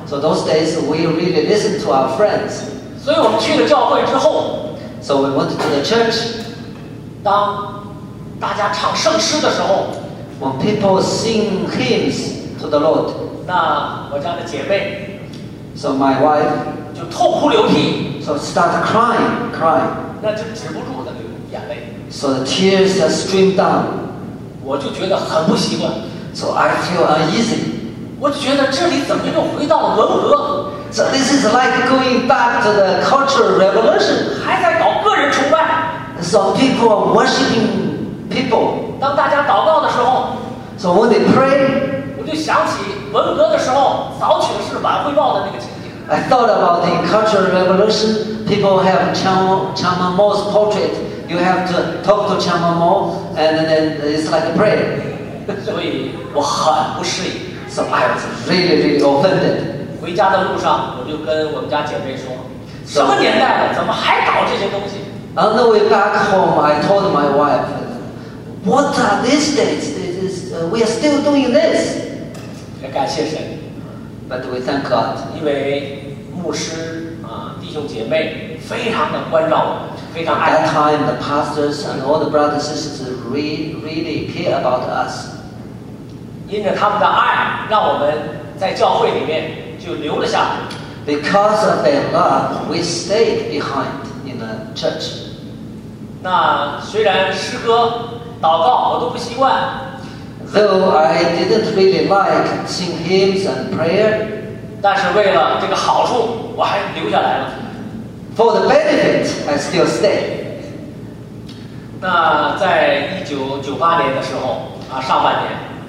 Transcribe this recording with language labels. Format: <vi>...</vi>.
<en>So those days we really listened to our friends.</en> <zh>所以我们去了教会之后</zh> <en>，So we went to the church.</en> <zh>当大家唱圣诗的时候</zh> <en>，When people sing hymns to the Lord.</en> <zh>那我家的姐妹</zh> <en>，So my wife</en> <zh>就痛哭流涕</zh> <en>，So start crying, crying.</en> <zh>那就止不住的流眼泪。</zh> <en>So the tears are streamed down.</en> <zh>我就觉得很不习惯。</zh> <en>So I feel uneasy.</en> <zh>我就觉得这里怎么又回到了文革</zh> <en>？So this is like going back to the Cultural Revolution.</en> <zh>还在搞个人崇拜。</zh> <en>So people are worshiping people.</en> <zh>当大家祷告的时候</zh> <en>，So when they pray,</en> <zh>我就想起文革的时候早起是晚汇报的那个情景。</zh> <en>I thought about the Cultural Revolution. People have Chairman Mao's portrait. You have to talk to Chairman Mao, and then it's like a prayer.</en> <zh>所以我很不适应。</zh> <en>So I was really, really offended.</en> <zh>回家的路上，我就跟我们家姐妹说：“ So, 什么年代了，怎么还搞这些东西</zh> <en>？”On the way back home, I told my wife, "What are these days? We are still doing this."</en> <zh>要感谢神。</zh> <en>But we thank God.</en> <zh>因为牧师啊，弟兄姐妹非常的关照我。</zh> <en>At that time, the pastors and all the brothers and sisters really care about us.</en> <zh>因着他们的爱，让我们在教会里面就留了下来。</zh> <en>Because of their love, we stayed behind in the church.</en> <zh>那虽然诗歌、祷告我都不习惯。</zh> <en>Though I didn't really like sing hymns and prayer,</en> <zh>但是为了这个好处，我还留下来了。</zh> <en>For the benefit, I still stay.</en> <zh>那在1998年的时候啊，上半年。</zh>